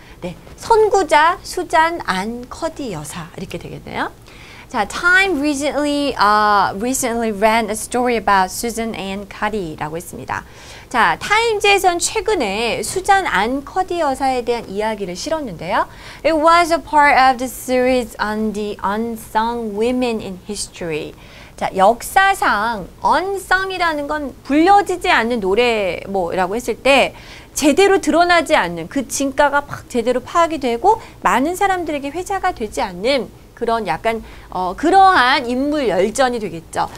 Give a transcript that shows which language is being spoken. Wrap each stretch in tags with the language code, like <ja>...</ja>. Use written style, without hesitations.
<ko>네, 선구자 수잔 안 커디 여사 이렇게 되겠네요.</ko> <en>자, Time recently ran a story about Susan Ann Cuddy라고</en> <ko>했습니다. 자, 타임즈에선 최근에 수잔 안 커디 여사에 대한 이야기를 실었는데요.</ko> <en>It was a part of the series on the unsung women in history.</en> <ko>자, 역사상 unsung이라는 건 불려지지 않는 노래 뭐라고 했을 때 제대로 드러나지 않는 그 진가가 막 제대로 파악이 되고 많은 사람들에게 회자가 되지 않는 그런 약간 그러한 인물 열전이 되겠죠.</ko>